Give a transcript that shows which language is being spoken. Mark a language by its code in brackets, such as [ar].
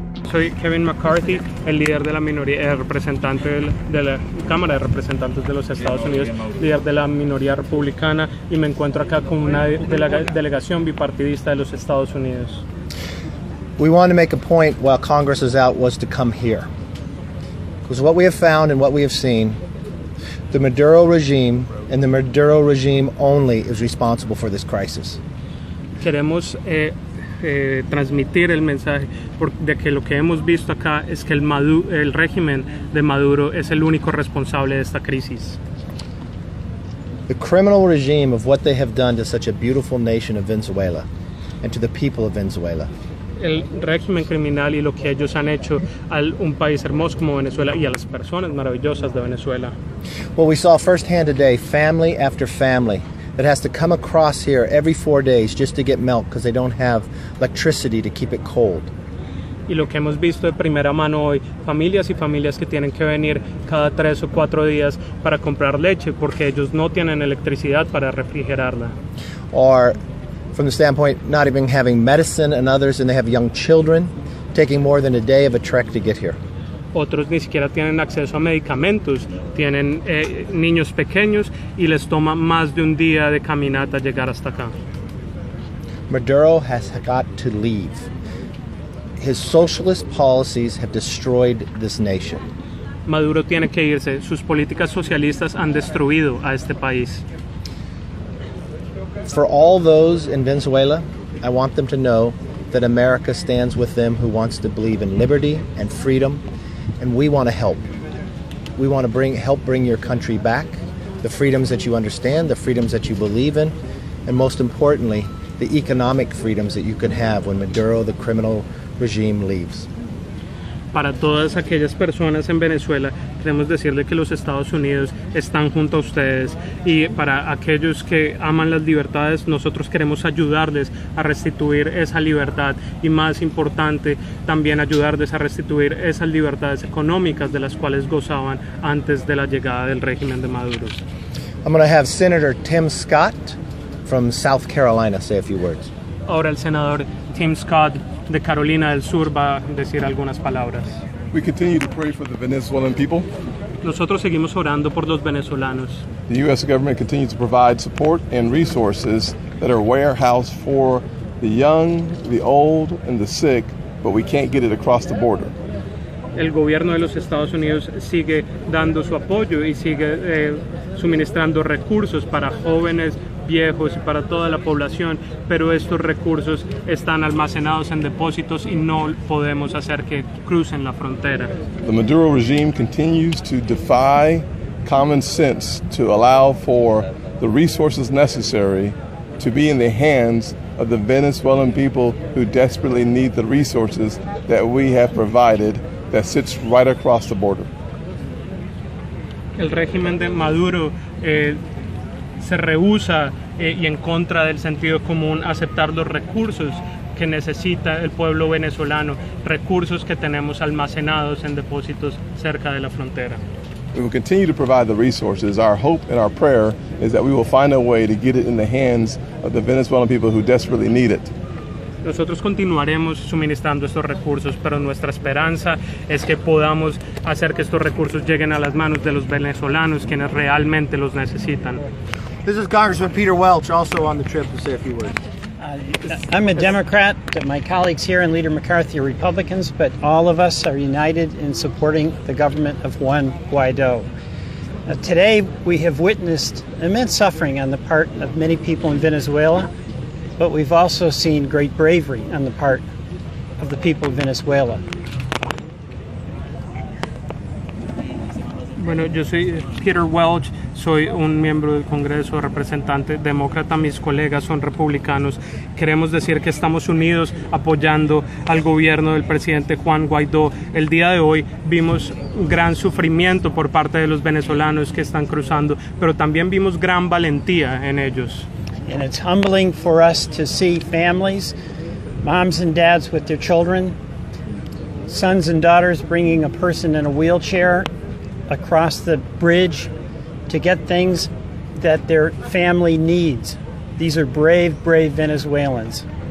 [es] soy Kevin McCarthy, el líder de la minoría, el representante de la Cámara de Representantes de los Estados Unidos, líder de la minoría republicana, y me encuentro acá con una delegación bipartidista de los Estados Unidos. [en] We want to make a point while Congress is out was to come here. Because what we have found and what we have seen, the Maduro regime and the Maduro regime only is responsible for this crisis. [es] Queremos transmitir el mensaje de que lo que hemos visto acá es que el régimen de Maduro es el único responsable de esta crisis. [en] The criminal regime of what they have done to such a beautiful nation of Venezuela and to the people of Venezuela. [es] El régimen criminal y lo que ellos han hecho a un país hermoso como Venezuela y a las personas maravillosas de Venezuela. [en] Well, we saw firsthand today family after family that has to come across here every four days just to get milk because they don't have electricity to keep it cold. [es] Y lo que hemos visto de primera mano hoy, familias y familias que tienen que venir cada tres o cuatro días para comprar leche porque ellos no tienen electricidad para refrigerarla. [en] Or from the standpoint not even having medicine and others, and they have young children taking more than a day of a trek to get here. [es] Otros ni siquiera tienen acceso a medicamentos, tienen niños pequeños y les toma más de un día de caminata llegar hasta acá. [en] Maduro has got to leave. His socialist policies have destroyed this nation. [es] Maduro tiene que irse. Sus políticas socialistas han destruido a este país. [en] For all those in Venezuela, I want them to know that America stands with them who wants to believe in liberty and freedom. And we want to help. We want to help bring your country back, the freedoms that you understand, the freedoms that you believe in, and most importantly, the economic freedoms that you can have when Maduro, the criminal regime, leaves. [es] Para todas aquellas personas en Venezuela, queremos decirle que los Estados Unidos están junto a ustedes. Y para aquellos que aman las libertades, nosotros queremos ayudarles a restituir esa libertad. Y más importante, también ayudarles a restituir esas libertades económicas de las cuales gozaban antes de la llegada del régimen de Maduro. [en] I'm going to have Senator Tim Scott from South Carolina say a few words. [es] Ahora el senador Tim Scott de Carolina del Sur va a decir algunas palabras. [en] We continue to pray for the Venezuelan people. [es] Nosotros seguimos orando por los venezolanos. [en] The U.S. government continues to provide support and resources that are warehoused for the young, the old, and the sick, but we can't get it across the border. [es] El gobierno de los Estados Unidos sigue dando su apoyo y sigue suministrando recursos para jóvenes, viejos y para toda la población, pero estos recursos están almacenados en depósitos y no podemos hacer que crucen la frontera. [en] The Maduro regime continues to defy common sense to allow for the resources necessary to be in the hands of the Venezuelan people who desperately need the resources that we have provided that sits right across the border. [es] El régimen de Maduro se rehúsa y en contra del sentido común aceptar los recursos que necesita el pueblo venezolano, recursos que tenemos almacenados en depósitos cerca de la frontera. [en] We will continue to provide the resources. Our hope and our prayer is that we will find a way to get it in the hands of the Venezuelan people who desperately need it. [es] Nosotros continuaremos suministrando estos recursos, pero nuestra esperanza es que podamos hacer que estos recursos lleguen a las manos de los venezolanos, quienes realmente los necesitan. [en] This is Congressman Peter Welch, also on the trip, to say a few words. I'm a Democrat. My colleagues here and Leader McCarthy are Republicans, but all of us are united in supporting the government of Juan Guaido. Today, we have witnessed immense suffering on the part of many people in Venezuela, but we've also seen great bravery on the part of the people of Venezuela. [es] Bueno, yo soy Peter Welch, soy un miembro del Congreso, representante demócrata. Mis colegas son republicanos. Queremos decir que estamos unidos apoyando al gobierno del presidente Juan Guaidó. El día de hoy vimos gran sufrimiento por parte de los venezolanos que están cruzando, pero también vimos gran valentía en ellos. [en] And it's humbling for us to see families, moms and dads with their children, sons and daughters bringing a person in a wheelchair across the bridge to get things that their family needs. These are brave, brave Venezuelans.